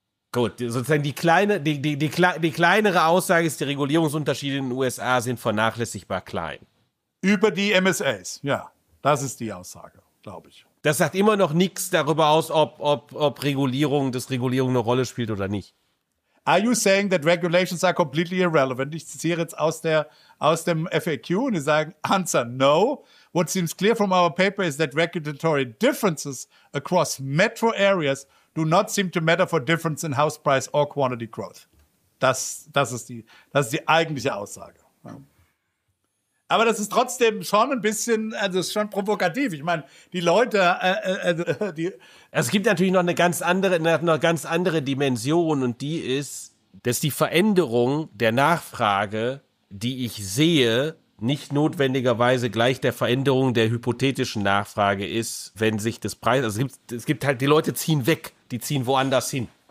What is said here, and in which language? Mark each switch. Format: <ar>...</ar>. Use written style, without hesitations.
<de>Gut, sozusagen die kleinere Aussage ist, die Regulierungsunterschiede in den USA sind vernachlässigbar klein. Über die MSAs, ja. Das ist die Aussage, glaube ich. Das sagt immer noch nichts darüber aus, ob Regulierung eine Rolle spielt oder nicht.</de> <en>Are you saying that regulations are completely irrelevant?</en> <de>Ich zitiere jetzt aus dem FAQ und sie sagen,</de> <en>answer, no. What seems clear from our paper is that regulatory differences across metro areas do not seem to matter for difference in house price or quantity growth.</en> <de>Das ist die eigentliche Aussage. Aber das ist trotzdem schon ein bisschen, also ist schon provokativ. Ich meine, die Leute, es gibt natürlich noch eine ganz andere Dimension, und die ist, dass die Veränderung der Nachfrage, die ich sehe, nicht notwendigerweise gleich der Veränderung der hypothetischen Nachfrage ist, wenn sich das Preis, also es gibt halt, die Leute ziehen weg, die ziehen woanders hin.</de>